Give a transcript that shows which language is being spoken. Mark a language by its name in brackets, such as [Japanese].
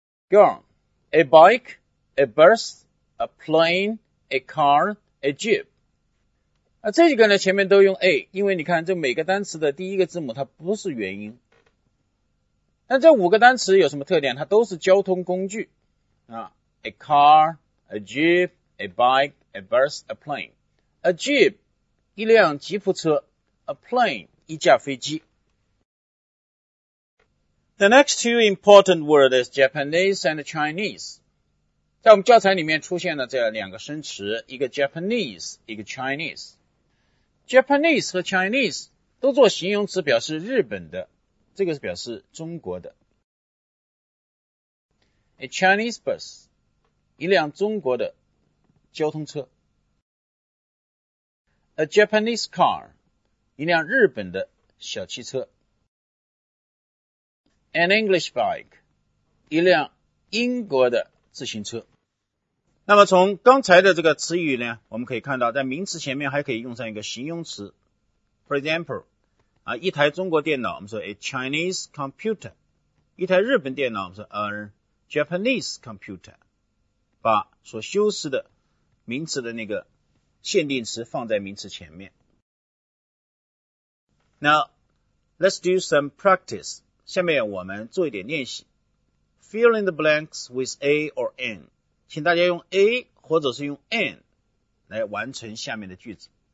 [English] Go on. A bike, a bus, a plane, a car, a jeep [Chinese] 啊，这几个呢前面都用 a， 因为你看这每个单词的第一个字母它不是元音。但这五个单词有什么特点？它都是交通工具啊， [English] a car, a jeep, a bike, a bus, a planeA jeep, [Chinese] 一辆吉普车 [English] A plane, [Chinese] 一架飞机。 [English] The next two important words is Japanese and Chinese. [Chinese] 在我们教材里面出现了这两个生词，一个 Japanese, 一个 Chinese. Japanese 和 Chinese 都做形容词表示日本的，这个是表示中国的。 [English] A Chinese bus, [Chinese] 一辆中国的交通车。 [English] A Japanese car, [Chinese] 一辆日本的小汽车。 [English] An English bike, [Chinese] 一辆英国的自行车。那么从刚才的这个词语呢，我们可以看到在名词前面还可以用上一个形容词。 [English] For example, [Chinese] 啊，一台中国电脑，我们说 [English] a Chinese computer, [Chinese] 一台日本电脑，我们说 [English] a Japanese computer, [Chinese] 把所修饰的名词的那个限定词放在名词前面。 [English] Now, let's do some practice. [Chinese] 下面我们做一点练习。 [English] Fill in the blanks with A or N. [Chinese] 请大家用 A 或者是用 N 来完成下面的句子。